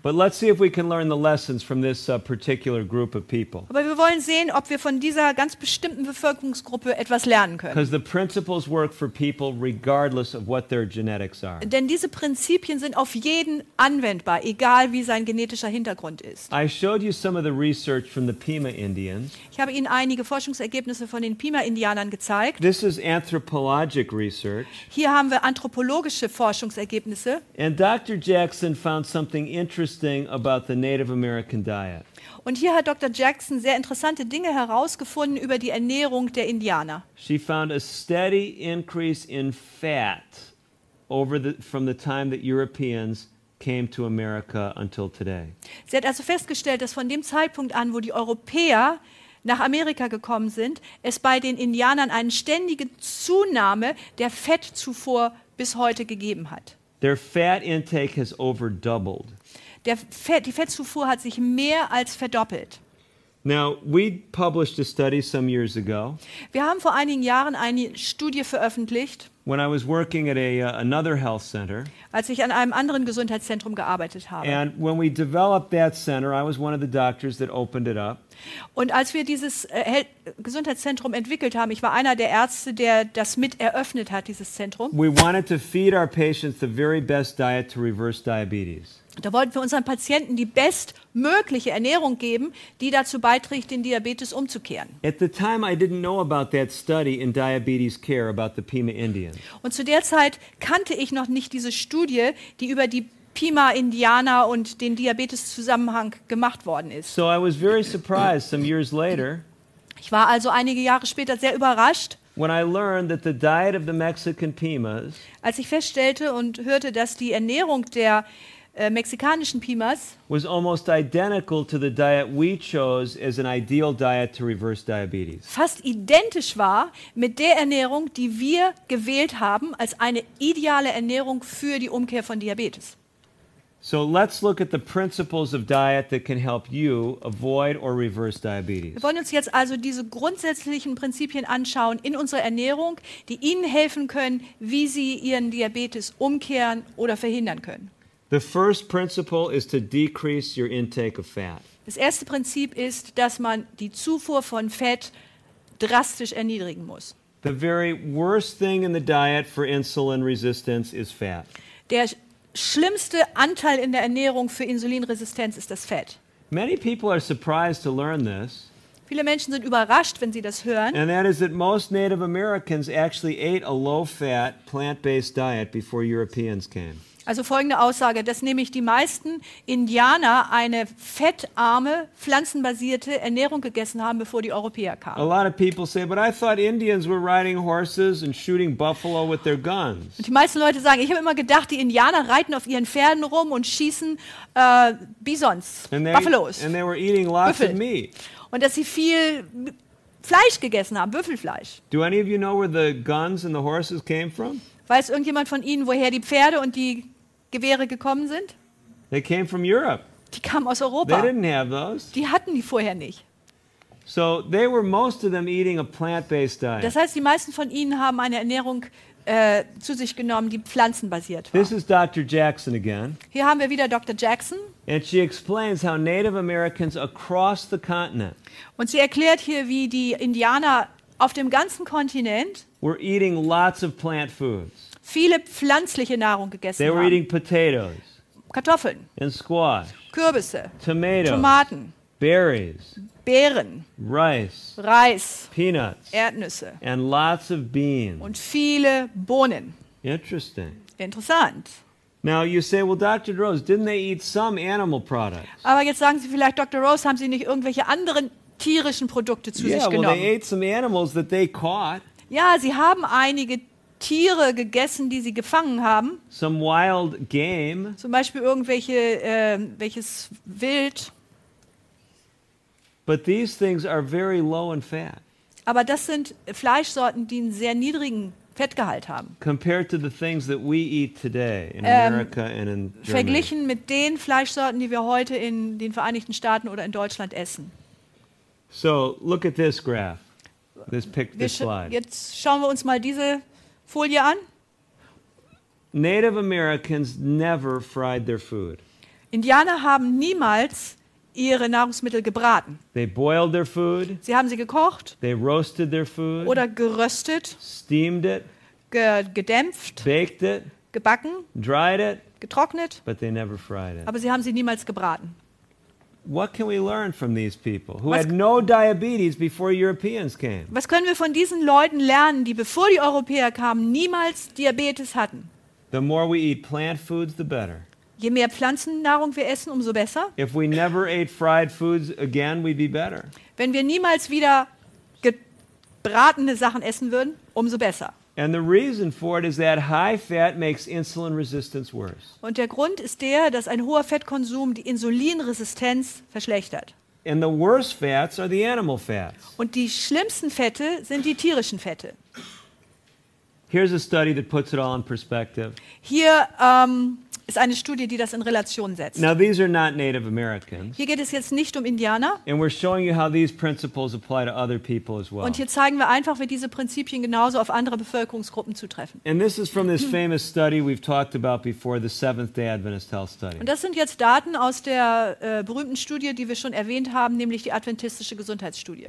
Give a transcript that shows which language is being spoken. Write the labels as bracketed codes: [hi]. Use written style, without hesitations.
[en] But let's see if we can learn the lessons from this particular group of people. [de] Aber wir wollen sehen, ob wir von dieser ganz bestimmten Bevölkerungsgruppe etwas lernen können. [en] Because the principles work for people regardless of what their genetics are. [de] Denn diese Prinzipien sind auf jeden anwendbar, egal wie sein genetischer Hintergrund ist. [en] I showed you some of the research from the Pima Indians. [de] Ich habe Ihnen einige Forschungsergebnisse von den Pima Indianern gezeigt. [en] This is anthropologic research. [de] Hier haben wir anthropologische Forschungsergebnisse. [en] And Dr. Jackson found something interesting about the Native American diet. [de] Und hier hat Dr. Jackson sehr interessante Dinge herausgefunden über die Ernährung der Indianer. [en] She found a steady increase in fat over from the time that Europeans came to America until today. [de] Sie hat also festgestellt, dass von dem Zeitpunkt an, wo die Europäer nach Amerika gekommen sind, es bei den Indianern eine ständige Zunahme der Fettzufuhr bis heute gegeben hat. [en] Their fat intake has over doubled. [de] Die Fettzufuhr hat sich mehr als verdoppelt. [en] Now, we published a study some years ago. [de] Wir haben vor einigen Jahren eine Studie veröffentlicht. [en] When I was working at another health center. [de] Als ich an einem anderen Gesundheitszentrum gearbeitet habe. [en] And when we developed that center, I was one of the doctors that opened it up. [de] Und als wir dieses Gesundheitszentrum entwickelt haben, ich war einer der Ärzte, der das mit eröffnet hat, dieses Zentrum. [en] We wanted to feed our patients the very best diet to reverse diabetes. [de] Da wollten wir unseren Patienten die bestmögliche Ernährung geben, die dazu beiträgt, den Diabetes umzukehren. [en] At the time I didn't know about that study in diabetes care about the Pima Indians. [de] Und zu der Zeit kannte ich noch nicht diese Studie, die über die Pima-Indianer und den Diabetes-Zusammenhang gemacht worden ist. [en] So I was very surprised some years later, [de] ich war also einige Jahre später sehr überrascht, [en] when I learned that the diet of the Mexican Pimas, [de] als ich feststellte und hörte, dass die Ernährung der mexikanischen Pimas [en] was almost identical to the diet we chose as an ideal diet to reverse diabetes. [de] Fast identisch war mit der Ernährung, die wir gewählt haben als eine ideale Ernährung für die Umkehr von Diabetes. [en] So let's look at the principles of diet that can help you avoid or reverse diabetes. [de] Wir wollen uns jetzt also diese grundsätzlichen Prinzipien anschauen in unserer Ernährung, die Ihnen helfen können, wie Sie Ihren Diabetes umkehren oder verhindern können. [en] The first principle is to decrease your intake of fat. [de] Das erste Prinzip ist, dass man die Zufuhr von Fett drastisch erniedrigen muss. [en] The very worst thing in the diet for insulin resistance is fat. [de] Der schlimmste Anteil in der Ernährung für Insulinresistenz ist das Fett. [en] Many people are surprised to learn this. [de] Viele Menschen sind überrascht, wenn sie das hören. [en] And that is that most Native Americans actually ate a low-fat, plant-based diet before Europeans came. [de] Also folgende Aussage, dass nämlich die meisten Indianer eine fettarme, pflanzenbasierte Ernährung gegessen haben, bevor die Europäer kamen. [en] A lot of people say, but I thought Indians were riding horses and shooting buffalo with their guns. [de] Und die meisten Leute sagen, ich habe immer gedacht, die Indianer reiten auf ihren Pferden rum und schießen Bisons, Buffalos. [en] And they were eating lots of meat. [de] Und dass sie viel Fleisch gegessen haben, Büffelfleisch. [en] Do any of you know where the guns and the horses came from? [de] Weiß irgendjemand von Ihnen, woher die Pferde und die Gewehre gekommen sind? [en] They came from Europe. [de] Die kamen aus Europa. [en] They didn't have those. [de] Die hatten die vorher nicht. [en] So they were most of them eating a plant-based diet. [de] Das heißt, die meisten von Ihnen haben eine Ernährung zu sich genommen, die pflanzenbasiert war. [en] This is Dr. Jackson again. [de] Hier haben wir wieder Dr. Jackson. [en] And she explains how Native Americans across the continent. [de] Und sie erklärt hier, wie die Indianer auf dem ganzen Kontinent [en] were eating lots of plant foods. [de] Viele pflanzliche Nahrung gegessen haben. [en] They were eating potatoes. [de] Kartoffeln. [en] And squash. [de] Kürbisse. [en] Tomatoes. [de] Tomaten. [en] Berries. [de] Beeren. [en] Rice. [de] Reis. [en] Peanuts. [de] Erdnüsse. [en] And lots of beans. [de] Und viele Bohnen. [en] Interesting. [de] Interessant. [en] Now you say, well, Dr. Rose, didn't they eat some animal products? [de] Aber jetzt sagen Sie vielleicht, Dr. Rose, haben Sie nicht irgendwelche anderen tierischen Produkte zu sich genommen? [en] Yeah, well, they ate some animals that they caught. [de] Ja, sie haben einige Tiere gegessen, die sie gefangen haben. [en] Some wild game. [de] Zum Beispiel irgendwelche, welches Wild. [en] But these things are very low in fat. [de] Aber das sind Fleischsorten, die einen sehr niedrigen Fettgehalt haben. [en] Compared to the things that we eat today in America and in Germany. [de] Verglichen mit den Fleischsorten, die wir heute in den Vereinigten Staaten oder in Deutschland essen. [en] So, look at this graph. This slide. [de] Jetzt schauen wir uns mal diese Folie an. [en] Native Americans never fried their food. [de] Indianer haben niemals ihre Nahrungsmittel gebraten. [en] They boiled their food. [de] Sie haben sie gekocht. [en] They roasted their food. [de] Oder geröstet. [en] Steamed it. [de] Gedämpft. [en] Baked it. [de] Gebacken. [en] Dried it. [de] Getrocknet. [en] But they never fried it. [de] Aber sie haben sie niemals gebraten. [en] What can we learn from these people who had no diabetes before Europeans came? [de] Was können wir von diesen Leuten lernen, die bevor die Europäer kamen niemals Diabetes hatten? [en] The more we eat plant foods, the better. [de] Je mehr Pflanzennahrung wir essen, umso besser. [en] If we never ate fried foods again, we'd be better. [de] Wenn wir niemals wieder gebratene Sachen essen würden, umso besser. [en] And the reason for it is that high fat makes insulin resistance worse. [de] Und der Grund ist der, dass ein hoher Fettkonsum die Insulinresistenz verschlechtert. [en] And the worst fats are the animal fats. [de] Und die schlimmsten Fette sind die tierischen Fette. [en] Here's a study that puts it all in perspective. [de] Hier ist eine Studie, die das in Relation setzt. [en] Now these are not Native Americans. [de] Hier geht es jetzt nicht um Indianer. [en] And we're showing you how these principles apply to other people as well. [de] Und hier zeigen wir einfach, wie diese Prinzipien genauso auf andere Bevölkerungsgruppen zutreffen. [en] And this is from this famous study we've talked about before, the Seventh-day Adventist Health Study. [de] Und das sind jetzt Daten aus der berühmten Studie, die wir schon erwähnt haben, nämlich die adventistische Gesundheitsstudie.